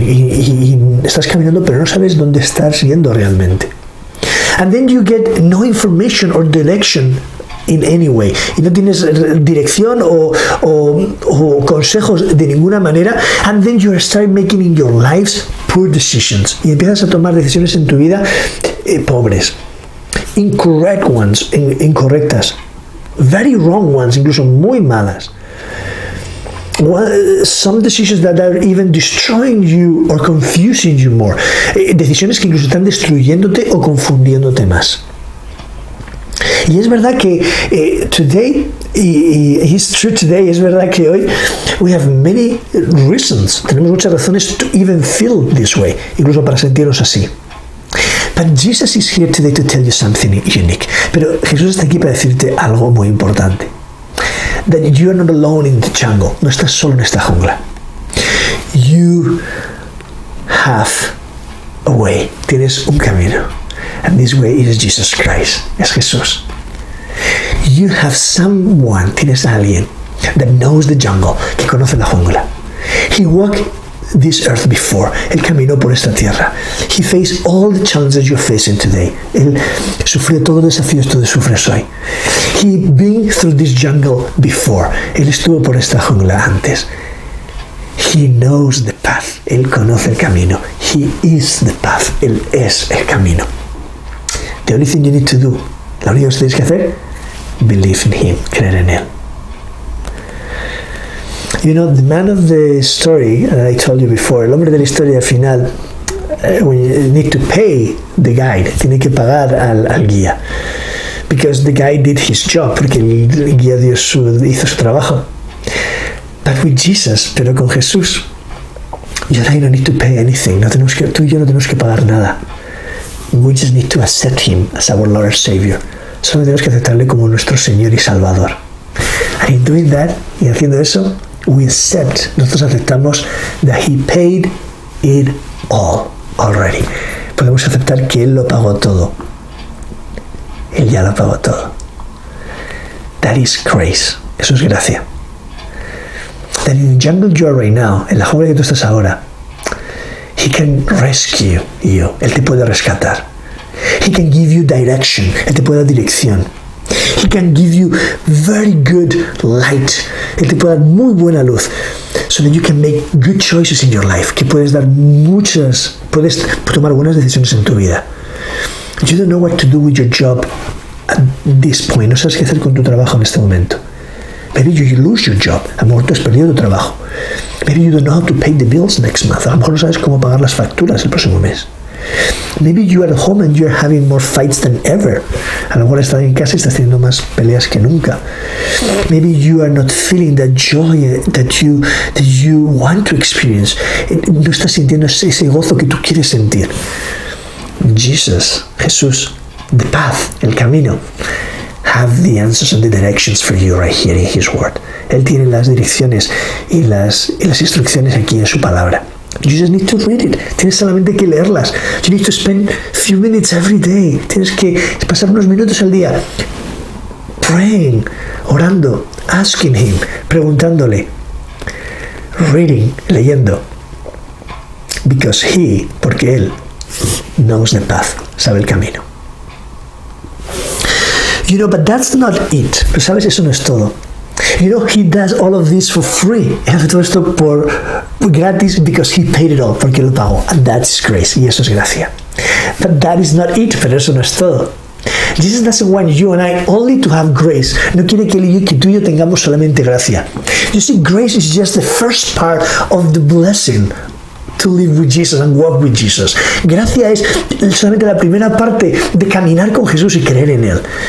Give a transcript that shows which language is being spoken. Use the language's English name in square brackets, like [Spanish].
[Spanish] Y estás caminando, pero no sabes dónde estás yendo realmente. [English] And then you get no information or direction in any way. [Spanish] Y no tienes dirección o consejos de ninguna manera. [English] And then you start making in your lives poor decisions. [Spanish] Y empiezas a tomar decisiones en tu vida pobres. [English] Incorrect ones, [Spanish] incorrectas. [English] Very wrong ones, [Spanish] incluso muy malas. [English] Some decisions that are even destroying you or confusing you more. [Spanish] Decisiones que incluso están destruyéndote o confundiéndote más. Y es verdad que [English] today, it's true today, [Spanish] es verdad que hoy, [English] we have many reasons, [Spanish] tenemos muchas razones [English] to even feel this way, [Spanish] incluso para sentirnos así. [English] But Jesus is here today to tell you something unique. [Spanish] Pero Jesús está aquí para decirte algo muy importante. [English] That you are not alone in the jungle. [Spanish] No estás solo en esta jungla. [English] You have a way. [Spanish] Tienes un camino. [English] And this way is Jesus Christ. [Spanish] Es Jesús. [English] You have someone. [Spanish] Tienes a alguien [English] that knows the jungle. [Spanish] Que conoce la jungla. [English] He walked this earth before. [Spanish] Él caminó por esta tierra. [English] He faced all the challenges you're facing today. [Spanish] Él sufrió todos los desafíos que sufres hoy. [English] He been through this jungle before. [Spanish] Él estuvo por esta jungla antes. [English] He knows the path. [Spanish] Él conoce el camino. [English] He is the path. [Spanish] Él es el camino. [English] The only thing you need to do, [Spanish] la única cosa que tienes que hacer, [English] believe in him, [Spanish] creer en él. [English] You know, the man of the story, I told you before, [Spanish] el hombre de la historia final, [English] we need to pay the guide, [Spanish] tiene que pagar al guía. [English] Because the guide did his job, [Spanish] porque el guía hizo su trabajo. [English] But with Jesus, [Spanish] pero con Jesús, [English] you and I don't need to pay anything, [Spanish] tú y yo no tenemos que pagar nada. [English] We just need to accept him as our Lord and Savior. [Spanish] Solo tenemos que aceptarle como nuestro Señor y Salvador. [English] And in doing that, [Spanish] y haciendo eso, [English] we accept, [Spanish] nosotros aceptamos [English] that he paid it all already. [Spanish] Podemos aceptar que él lo pagó todo. Él ya lo pagó todo. [English] That is grace. [Spanish] Eso es gracia. [English] That in the jungle you are right now, [Spanish] en la jungla que tú estás ahora, [English] he can rescue you. [Spanish] Él te puede rescatar. [English] He can give you direction. [Spanish] Él te puede dar dirección. [English] He can give you very good light. [Spanish] Él te puede dar muy buena luz. [English] So that you can make good choices in your life. [Spanish] Que puedes dar muchas, puedes tomar buenas decisiones en tu vida. [English] You don't know what to do with your job at this point. [Spanish] No sabes qué hacer con tu trabajo en este momento. [English] Maybe you lose your job. [Spanish] A lo mejor tú has perdido tu trabajo. [English] Maybe you don't know how to pay the bills next month. [Spanish] A lo mejor no sabes cómo pagar las facturas el próximo mes. [English] Maybe you are at home and you are having more fights than ever. [Spanish] A lo mejor estás en casa y estás teniendo más peleas que nunca. [English] Maybe you are not feeling that joy that you want to experience. [Spanish] No estás sintiendo ese gozo que tú quieres sentir. [English] Jesus, Jesús, the path, [Spanish] el camino, [English] have the answers and the directions for you right here in his word. [Spanish] Él tiene las direcciones y las instrucciones aquí en su palabra. [English] You just need to read it. [Spanish] Tienes solamente que leerlas. [English] You need to spend few minutes every day. [Spanish] Tienes que pasar unos minutos al día [English] praying, [Spanish] orando, [English] asking him, [Spanish] preguntándole, [English] reading, [Spanish] leyendo. [English] Because he, [Spanish] porque él, [English] knows the path, [Spanish] sabe el camino. [English] You know, but that's not it. [Spanish] Pero sabes, eso no es todo. [English] You know, he does all of this for free. [Spanish] Él hace todo esto por gratis [English] because he paid it all, [Spanish] porque lo pagó. [English] And that's grace. [Spanish] Y eso es gracia. [English] But that is not it. [Spanish] Pero eso no es todo. [English] Jesus doesn't want you and I only to have grace. [Spanish] No quiere que tú y yo tengamos solamente gracia. [English] You see, grace is just the first part of the blessing to live with Jesus and walk with Jesus. [Spanish] Gracia es solamente la primera parte de caminar con Jesús y creer en él.